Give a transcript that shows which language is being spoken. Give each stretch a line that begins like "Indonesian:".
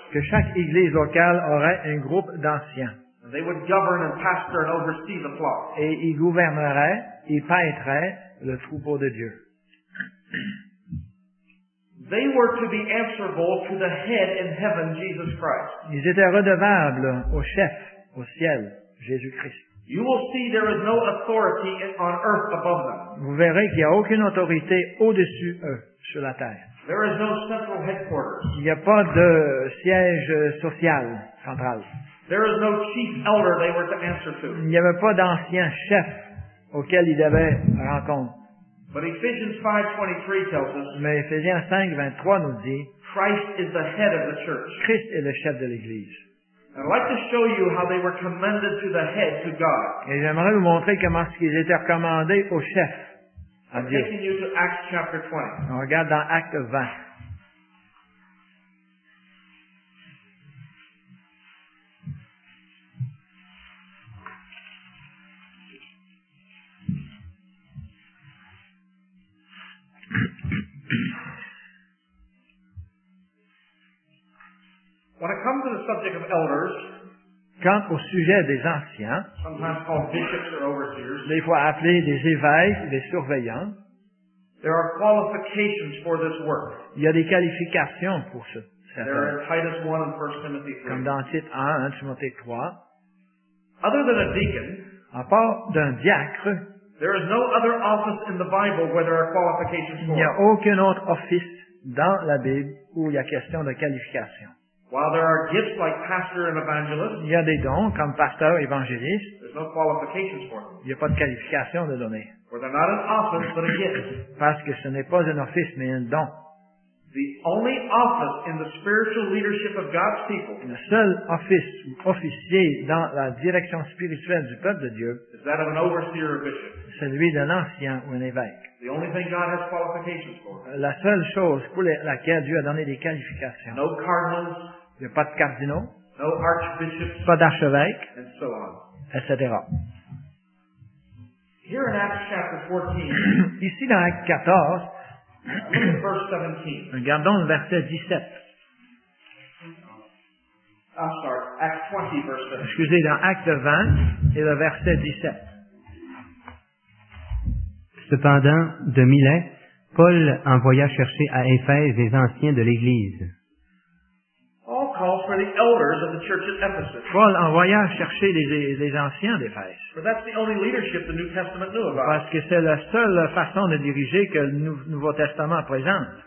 French: Que chaque église locale aurait un groupe d'anciens.
English: They would govern and pastor and oversee the flock.
French: Et ils gouverneraient et paîtraient le troupeau de Dieu.
English: They were to be answerable to the head in heaven, Jesus Christ.
French: Ils étaient redevables au chef, au ciel, Jésus-Christ.
English: You will see there is no authority on earth above them.
French: Vous verrez qu'il n'y a aucune autorité au-dessus eux, sur la terre.
English: There is no central headquarters.
French: Il n'y a pas de siège social central.
English: There is no chief elder they were to answer to.
French: Il n'y avait pas d'ancien chef auquel ils devaient rendre compte.
English: But Ephesians 5:23 tells us.
French: Mais Ephésiens 5:23 nous dit.
English: Christ is the head of the church.
French: Christ est le chef de l'Église.
English: I'd like to show you how they were commended to the head, to God.
French: Et j'aimerais vous montrer comment ils étaient recommandés au chef, à
English: I'm
French: Dieu.
English: Taking you to Acts chapter 20.
French: On regarde dans Actes 20.
English: When it comes to the subject of elders,
French: quant au sujet des anciens,
English: sometimes called bishops or overseers,
French: des fois appelés des évêques, des surveillants,
English: there are qualifications for this work.
French: Il y a des qualifications pour ce travail.
English: There are in Titus 1 and 1 Timothy 3.
French: Comme dans Titus 1 Timothée 3.
English: Other than a deacon,
French: à part d'un diacre,
English: there is no other office in the Bible where there are qualifications for.
French: Il n'y a aucun autre office dans la Bible où il y a question de qualification.
English: While there are gifts like pastor and evangelist,
French: il y a des dons comme pasteur et évangéliste.
English: There's no qualifications for them.
French: Il n'y a pas de qualification de donner.
English: For they're not an office, but a gift.
French: Parce que ce n'est pas un office, mais un don.
English: The only office in the spiritual leadership of God's people.
French: Le seul office ou officier dans la direction spirituelle du peuple de Dieu.
English: Is that of an overseer or bishop.
French: Celui d'un ancien ou un évêque.
English: The only thing God has qualifications for.
French: La seule chose pour laquelle Dieu a donné des qualifications.
English: No cardinals.
French: Il n'y a pas de cardinaux.
English: No archbishops.
French: Pas d'archevêque.
English: And so on.
French: Etc.
English: Here in Acts chapter 14.
French: Ici dans Actes 14. Regardons le verset 17.
English: I'm sorry, Acts 20, verse 17.
French: Excusez, dans Actes 20 et le verset 17. Cependant, de Milet, Paul envoya chercher à Éphèse les anciens de l'Église.
English: Paul calls for the elders of the church at Ephesus.
French: Paul envoya chercher les anciens d'Éphèse.
English: For that's the only leadership the New Testament knew about.
French: Parce que c'est la seule façon de diriger que le Nouveau Testament présente.